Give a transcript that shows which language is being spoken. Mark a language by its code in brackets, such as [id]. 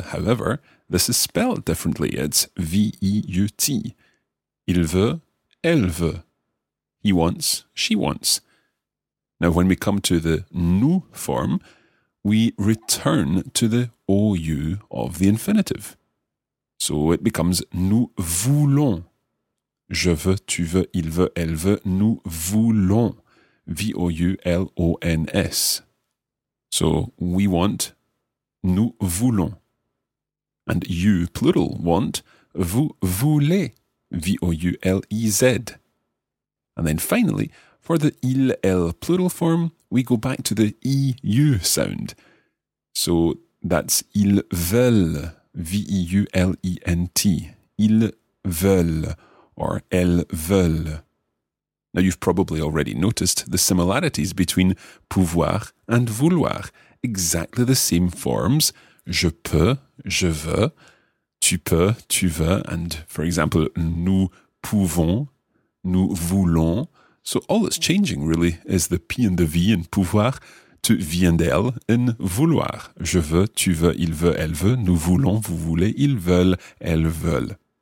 [en] However, this is spelled differently. It's V-E-U-T. [fr] Il veut, elle veut. [en] He wants, she wants. Now, when we come to the nous form, we return to the OU of the infinitive. So it becomes [fr] nous voulons. Je veux, tu veux, il veut, elle veut, nous voulons. [en] V-O-U-L-O-N-S. So we want, [fr] nous voulons. [en] And you, plural, want, [fr] vous voulez. [en] V-O-U-L-E-Z. And then finally, for the il, elle plural form, we go back to the E-U sound. So that's [fr] ils veulent, [en] V-E-U-L-E-N-T. [fr] Ils veulent, or elles veulent. [en] Now you've probably already noticed the similarities between pouvoir and vouloir. Exactly the same forms, [fr] je peux, je veux, tu peux, tu veux, and for example, nous pouvons, nous voulons. [en] So all that's changing really is the P and the V in pouvoir to V and L in vouloir. [fr] Je veux, tu veux, il veut, elle veut, nous voulons, vous voulez, ils veulent, elles veulent.